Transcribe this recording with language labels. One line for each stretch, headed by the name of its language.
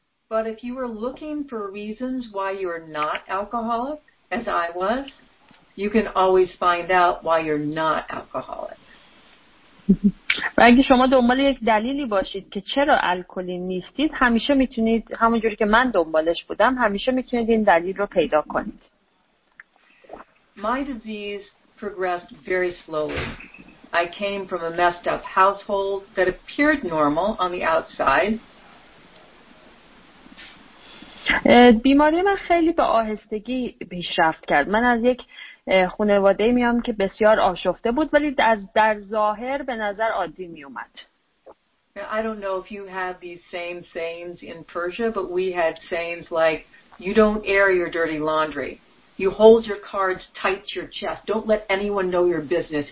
English: But if you were looking for reasons why you're not alcoholic as I was, you can always find out why you're not alcoholic.
Persian: اگه شما دنبال یک دلیلی باشید که چرا الکلی نیستید، همیشه میتونید همونجوری که من دنبالش بودم، همیشه میتونید این دلیل رو پیدا کنید.
English: My disease progressed very slowly. I came from a messed up household that appeared normal on the outside.
Persian: بیماری من خیلی به آهستگی پیشرفت کرد. من از یک خانواده میام که بسیار آشفته بود ولی در ظاهر به نظر عادی می اومد.
English: I don't know if you have these same sayings in Persia, but we had sayings like you don't air your dirty laundry. You hold your cards tight to your chest. Don't let anyone know your business.